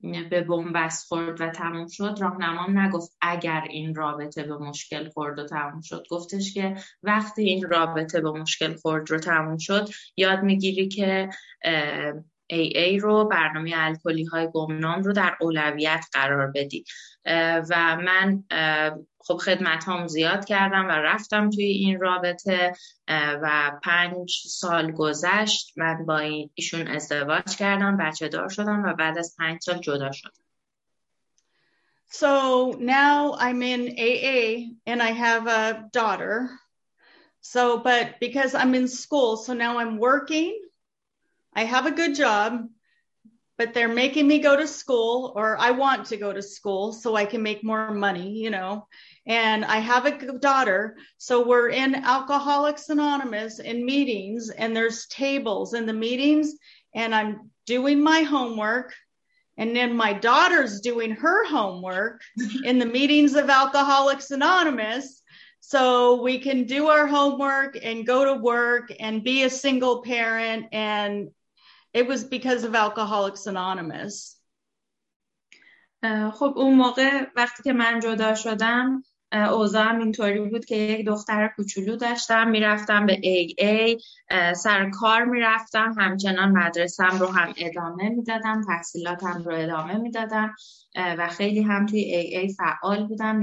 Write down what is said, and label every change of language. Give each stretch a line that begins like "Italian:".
Persian: به بنبست خورد و تموم شد، راهنمام نگفت اگر این رابطه به مشکل خورد و تموم شد، گفتش که وقتی این رابطه به مشکل خورد رو تموم شد، یاد میگیری که AA رو، برنامه الکلی های گمنام رو در اولویت قرار بدی. و من خب خدمت هام زیاد کردم و رفتم توی این رابطه و 5 سال گذشت. من با ایشون ازدواج کردم، بچه دار شدم و بعد از 5 سال جدا شدم.
English: So now I'm in AA and I have a daughter. So but because I'm in school, so now I'm working. I have a good job, but they're making me go to school, or I want to go to school so I can make more money, you know, and I have a daughter. So we're in Alcoholics Anonymous in meetings, and there's tables in the meetings, and I'm doing my homework, and then my daughter's doing her homework in the meetings of Alcoholics Anonymous. So we can do our homework and go to work and be a single parent. And it was because of Alcoholics Anonymous.
Persian: خب اون موقع وقتی که من جدا شدم، اوضاعم اینطوری بود که یک دختر کوچولو داشتم، میرفتم به AA، سر کار میرفتم، همچنان مدرسه‌ام رو هم ادامه میدادم، تحصیلاتم رو ادامه میدادم و خیلی هم توی AA فعال بودم.